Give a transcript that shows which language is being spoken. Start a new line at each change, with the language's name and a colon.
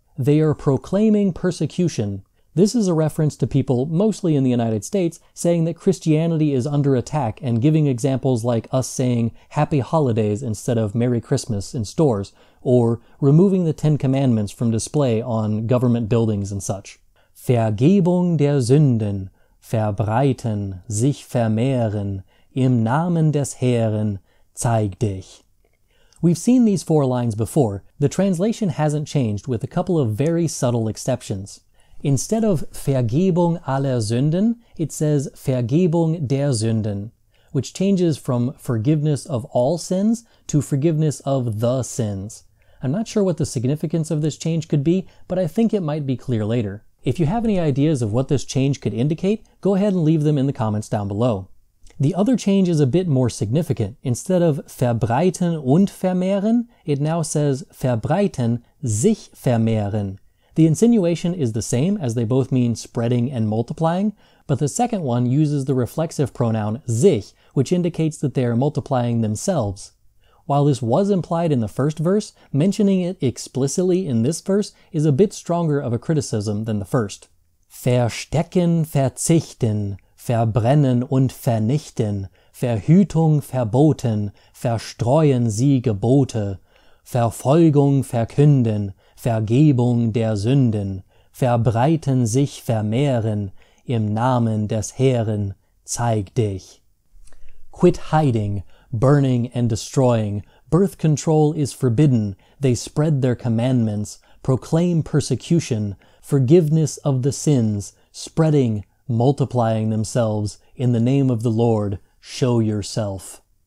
English: They are proclaiming persecution. This is a reference to people, mostly in the United States, saying that Christianity is under attack and giving examples like us saying Happy Holidays instead of Merry Christmas in stores, or removing the Ten Commandments from display on government buildings and such.
German: Vergebung der Sünden, verbreiten, sich vermehren, im Namen des Herrn, zeig dich.
English: We've seen these 4 lines before. The translation hasn't changed, with a couple of very subtle exceptions. Instead of
German: Vergebung aller Sünden,
English: it says
German: Vergebung der Sünden,
English: which changes from forgiveness of all sins to forgiveness of the sins. I'm not sure what the significance of this change could be, but I think it might be clear later. If you have any ideas of what this change could indicate, go ahead and leave them in the comments down below. The other change is a bit more significant. Instead of
German: verbreiten und vermehren,
English: it now says
German: verbreiten, sich vermehren.
English: The insinuation is the same, as they both mean spreading and multiplying, but the second one uses the reflexive pronoun sich, which indicates that they are multiplying themselves. While this was implied in the first verse, mentioning it explicitly in this verse is a bit stronger of a criticism than the first.
German: Verstecken, verzichten, verbrennen und vernichten, Verhütung verboten, verstreuen sie Gebote, Verfolgung verkünden, Vergebung der Sünden, verbreiten sich vermehren, im Namen des Herrn, zeig dich.
English: Quit hiding, burning and destroying, birth control is forbidden, they spread their commandments, proclaim persecution, forgiveness of the sins, spreading, multiplying themselves, in the name of the Lord, show yourself.